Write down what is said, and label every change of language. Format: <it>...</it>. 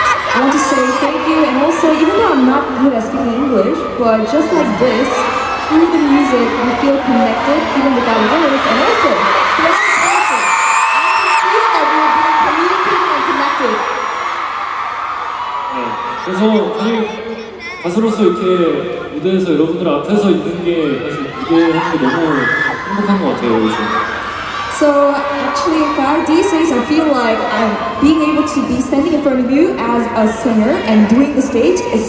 <en>I want to say thank you and also even though I'm not good at speaking English but just like this through the music, we feel connected, even without words, and also, that's awesome. I feel that we're being communicating and connected.</en> <ko>그래서 사실 가수로서 이렇게 무대에서 여러분들 앞에서 있는 게 사실 무대하는 게 너무 행복한 것 같아요, 요즘.</ko> <en>So actually, for these days, I feel like I'm being able to be standing in front of you as a singer and doing the stage.</en>